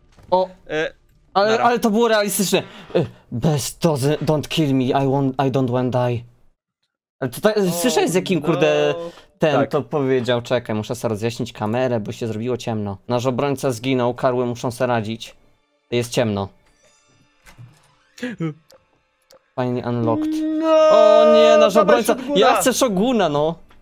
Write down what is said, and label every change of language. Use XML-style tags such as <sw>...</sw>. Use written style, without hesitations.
<pl>O! Ale to było realistyczne.</pl> <en>Best doesn't, don't kill me, I don't want to die.</en> <pl>To, to, oh, słyszałeś z jakim, no, kurde, ten tak to powiedział, czekaj, muszę sobie rozjaśnić kamerę, bo się zrobiło ciemno. Nasz obrońca zginął, karły muszą sobie radzić. Jest ciemno.</pl> <en>Finally unlocked.</en> <pl>No! O nie, nasz obrońca, ja chcę szoguna, no.</pl>